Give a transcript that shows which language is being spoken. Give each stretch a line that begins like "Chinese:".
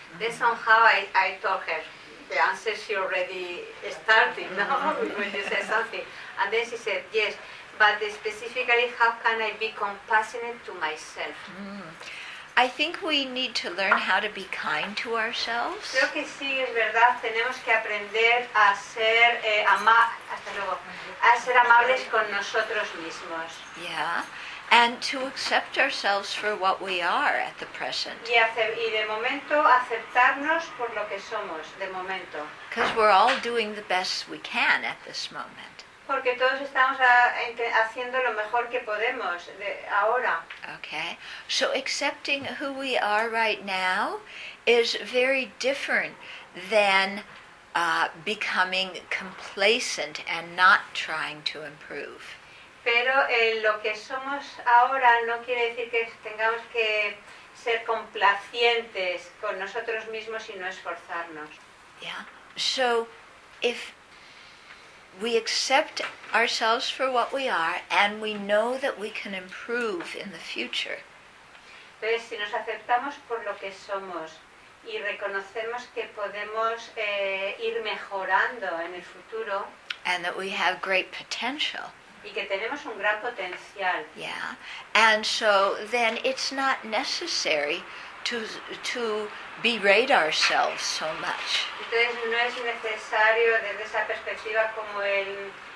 English: Then somehow I told her the answer she already started, no? When you said something. And then she said, yes, but specifically how can I be compassionate to myself? I think we need to learn how to be kind to ourselves.
Spanish: Creo que sí, es verdad. Tenemos que aprender a ser amables con nosotros mismos.
English: Yeah, and to accept ourselves for what we are at the present.
Spanish: Y de momento aceptarnos por lo que somos de momento.
English: Because we're all doing the best we can at this moment.
Spanish: Porque todos estamos haciendo lo mejor que podemos ahora.
English: Okay. So accepting who we are right now is very different than becoming complacent and not trying to improve.
Spanish: Pero lo que somos ahora no quiere decir que tengamos que ser complacientes con nosotros mismos y no esforzarnos.
English: Yeah. So if we accept ourselves for what we are, and we know that we can improve in the future.
Spanish: Entonces, si nos aceptamos por lo que somos y reconocemos que podemos ir mejorando en el futuro,
English: and that we have great potential,
Spanish: y que tenemos un gran potencial,
English: yeah, and so then it's not necessary to berate ourselves so much.
Spanish: Entonces no es necesario desde esa perspectiva como el